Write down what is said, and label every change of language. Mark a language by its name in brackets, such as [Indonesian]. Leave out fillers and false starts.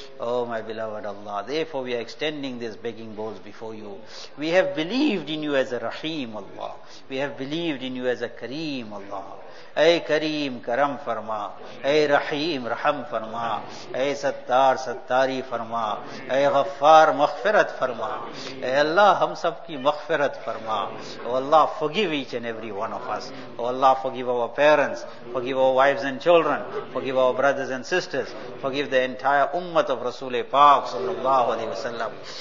[English] Oh my beloved Allah, therefore we are extending these begging bowls before you. We have believed in you as a Rahim Allah, we have believed in you as a Kareem Allah. [Urdu] اے کریم کرم فرما, اے رحیم رحم فرما, اے ستار ستاری فرما, اے غفار مغفرت فرما. اے اللہ ہم سب کی مغفرت فرما. [English] O Allah forgive each and every one of us. O Allah forgive our parents, forgive our wives and children, forgive our brothers and sisters, forgive the entire امت of رسول پاک صلی اللہ علیہ وسلم.